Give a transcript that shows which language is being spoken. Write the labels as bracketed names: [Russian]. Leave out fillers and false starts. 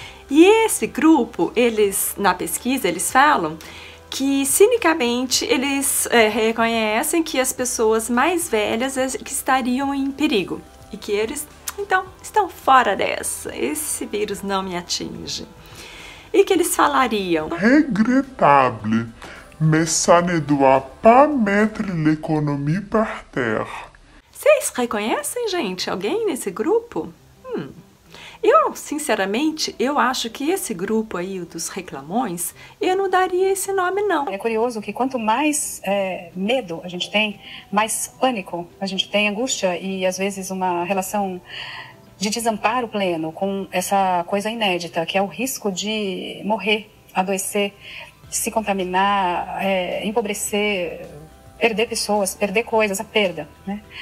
[Portuguese] E esse grupo, eles, na pesquisa, eles falam que, cinicamente, eles reconhecem que as pessoas mais velhas estariam em perigo e que eles, então, estão fora dessa. Esse vírus não me atinge. E que eles falariam? [French] Regretable, mais ça ne doit pas mettre l'économie par terre. [Portuguese] Vocês reconhecem, gente, alguém nesse grupo? Eu, sinceramente, eu acho que esse grupo aí, o dos reclamões, eu não daria esse nome, não. É curioso que quanto mais medo a gente tem, mais pânico a gente tem, angústia e, às vezes, uma relação de desamparo pleno com essa coisa inédita, que é o risco de morrer, adoecer, se contaminar, empobrecer, perder pessoas, perder coisas, a perda, né?